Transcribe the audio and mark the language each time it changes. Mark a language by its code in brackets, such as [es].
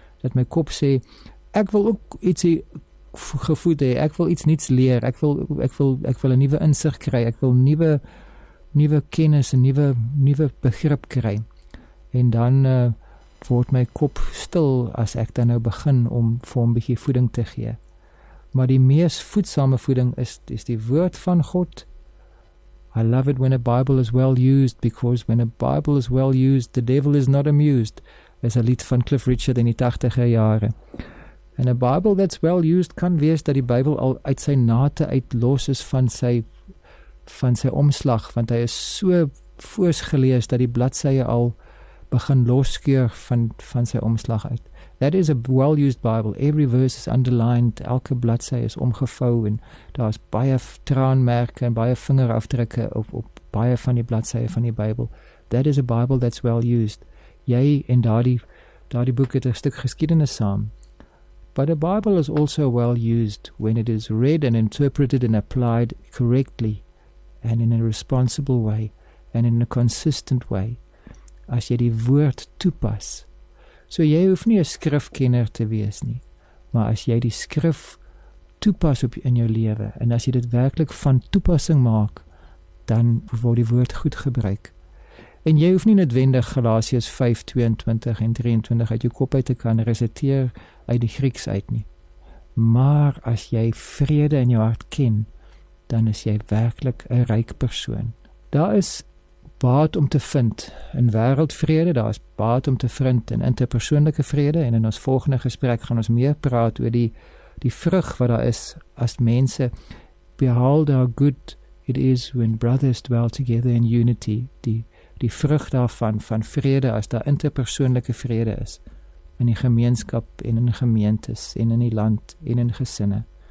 [af] Dat my kop sê, ek wil ook iets gevoed hê, ek wil iets niets leer, ek wil 'n nuwe insig kry, ek wil nuwe kennis, 'n nuwe begrip kry. En dan word my kop stil as ek dan nou begin om vir hom 'n bietjie voeding te gee. Maar die mees voedsame voeding is die woord van God. [en] I love it when a Bible is well used, because when a Bible is well used, the devil is not amused. [af] Is 'n lied van Cliff Richard in die 80er jare. [en] And a Bible that's well used [af] kan wees dat die Bybel al uit sy nate uitlos is van sy omslag, want hy is so voors gelees dat die bladsye al begin loskeur van sy omslag uit. [en] That is a well-used Bible. Every verse is underlined. [af] Elke bladsy is omgevou en daar is baie traanmerke en baie vingerafdrukke op baie van die bladsye van die Bybel. [en] That is a Bible that's well used. [af] Jy en daardie boek het 'n stuk geskiedenis saam. [en] But a Bible is also well used when it is read and interpreted and applied correctly and in a responsible way and in a consistent way. [af] As jy die woord toepas. So jy hoef nie 'n skrifkenner te wees nie, maar as jy die skrif toepas op in jou lewe en as jy dit werklik van toepassing maak, dan word die woord goed gebruik. En jy hoef nie noodwendig Galasiërs 5:22 en 23 uit jou kop uit te kan resiteer uit die Grieks uit nie. Maar as jy vrede in jou hart ken, dan is jy werklik 'n ryk persoon. Daar is baat om te vind in wêreldvrede, daar is baat om te vind in interpersoonlike vrede en in ons volgende gesprek gaan ons meer praat oor die vrug wat daar is as mense [en] behold how good it is when brothers dwell together in unity, [af] die vrug daarvan van vrede as daar interpersoonlike vrede is in die gemeenskap en in gemeentes en in die land en in gesinne.